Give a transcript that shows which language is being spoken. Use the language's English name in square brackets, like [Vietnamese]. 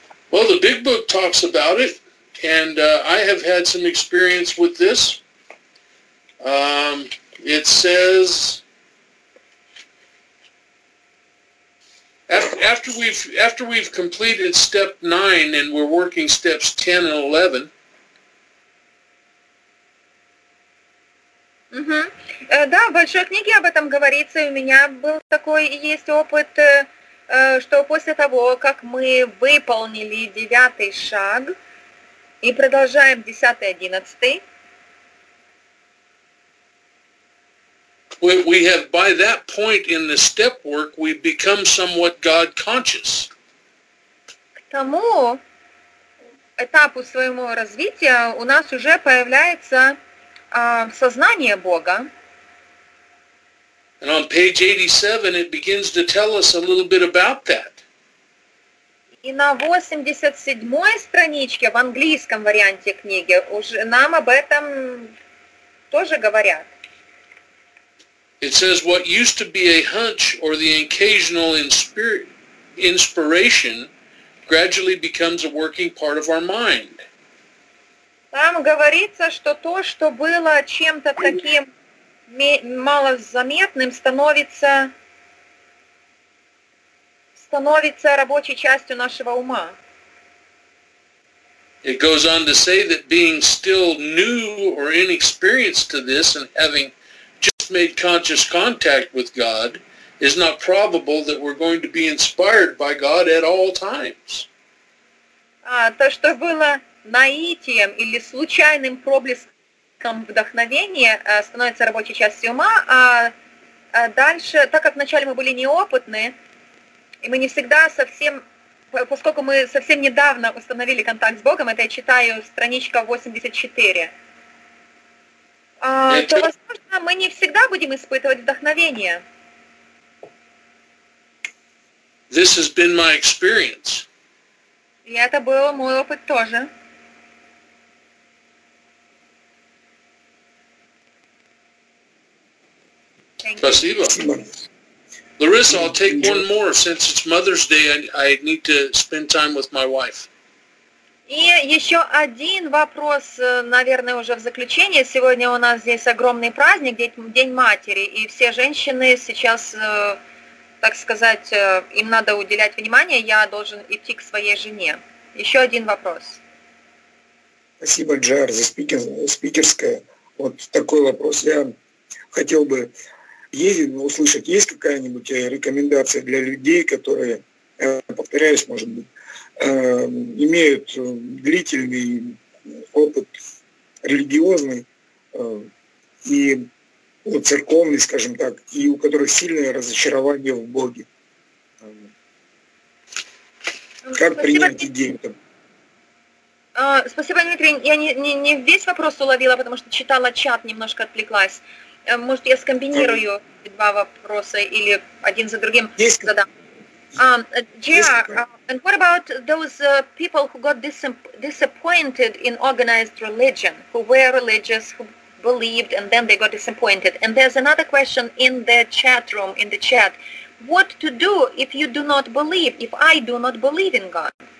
[English] Well, the Big Book talks about it, and I have had some experience with this. It says, After we've completed step 9 and we're working steps 10 and 11. [Russian] Да, в большой книге об этом говорится, и у меня был такой есть опыт, что после того, как мы выполнили 9-й шаг и продолжаем 10-й, 11-й. [English] We have, by that point in the step work, we've become somewhat God conscious. [Russian] К тому этапу своему развития у нас уже появляется сознание Бога. [English] And on page 87, it begins to tell us a little bit about that. [Russian] И на 87-й страничке в английском варианте книги уже нам об этом тоже говорят. [English] It says what used to be a hunch or the occasional inspiration gradually becomes a working part of our mind. [Russian] Там говорится, что то, что было чем-то таким малозаметным, становится рабочей частью нашего ума. [English] It goes on to say that being still new or inexperienced to this and having just made conscious contact with God is not probable that we're going to be inspired by God at all times. [Russian] То, что было наитием или случайным проблеском вдохновения, становится рабочей частью ума, а дальше, так как вначале мы были неопытны, и мы не всегда совсем, поскольку мы совсем недавно установили контакт с Богом, это я читаю, страничка 84, то, возможно, мы не всегда будем испытывать вдохновение. [English] This has been my experience. [Russian] И это был мой опыт тоже. Спасибо. [English] Лариса, I'll take one more, since it's Mother's Day, I need to spend time with my wife. [Russian] И еще один вопрос, наверное, уже в заключение. Сегодня у нас здесь огромный праздник, День Матери, и все женщины сейчас, так сказать, им надо уделять внимание, я должен идти к своей жене. Еще один вопрос. Спасибо, Джар, за спикерское. Вот такой вопрос. Я хотел бы услышать, есть какая-нибудь рекомендация для людей, которые, повторяюсь, может быть, имеют длительный опыт религиозный и церковный, скажем так, и у которых сильное разочарование в Боге. Как принять идею? Спасибо, Дмитрий. Я не весь вопрос уловила, потому что читала чат, немножко отвлеклась. Может, я скомбинирую два вопроса или один за другим задам. [English] And what about those people who got disappointed in organized religion, who were religious, who believed, and then they got disappointed? And there's another question in the chat room, in the chat. What to do if you do not believe, if I do not believe in God?